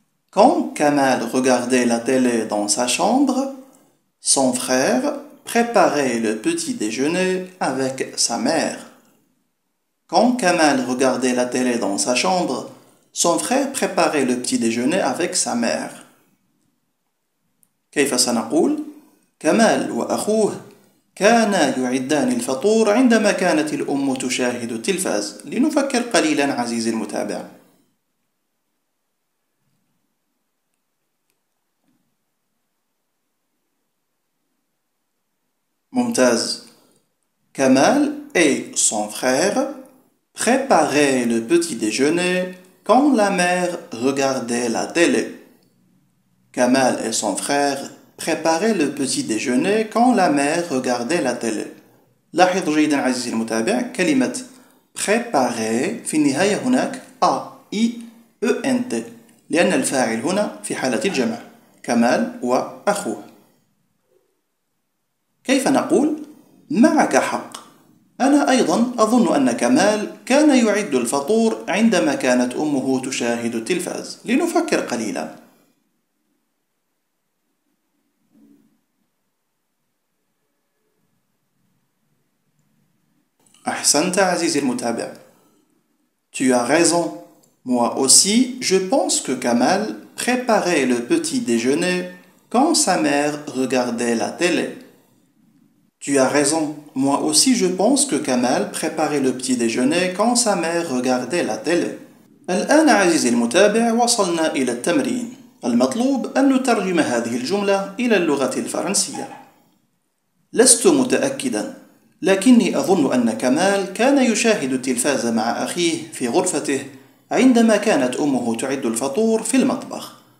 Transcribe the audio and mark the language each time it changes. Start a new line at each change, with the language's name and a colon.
French: Quand Kamal regardait la télé dans sa chambre, son frère préparait le petit déjeuner avec sa mère. Quand Kamal regardait la télé dans sa chambre, son frère préparait le petit déjeuner avec sa mère.
Arabic: كيف سنقول؟ كمال وأخوه كانا يعدان الفطور عندما كانت الأم تشاهد التلفاز. لنفكر قليلا عزيزي المتابع. ممتاز.
French: كمال et son frère préparaient le petit déjeuner quand la mère regardait la télé. كمال et son frère préparaient le petit déjeuner quand la mère regardait la télé.
Arabic: لاحظ جيدا عزيزي المتابع كلمة préparer في النهاية هناك a i e n t لأن الفاعل هنا في حالة الجمع كمال وأخوه. كيف نقول؟ معك حق. أنا أيضا أظن أن كمال كان يعد الفطور عندما كانت أمه تشاهد التلفاز. لنفكر قليلا. أحسنت عزيزي المتابع.
French: Tu as raison. Moi aussi, je pense que Kamal préparait le petit déjeuner quand sa mère regardait la télé. Tu as raison. Moi aussi, je pense que Kamal préparait le petit déjeuner quand sa mère regardait la télé.
Arabic: الآن عزيزي المتابع وصلنا إلى التمرين. المطلوب أن نترجم هذه الجملة إلى اللغة الفرنسية. لست متأكدا، لكني أظن أن كمال كان يشاهد التلفاز مع أخيه في غرفته عندما كانت أمه تعد الفطور في المطبخ.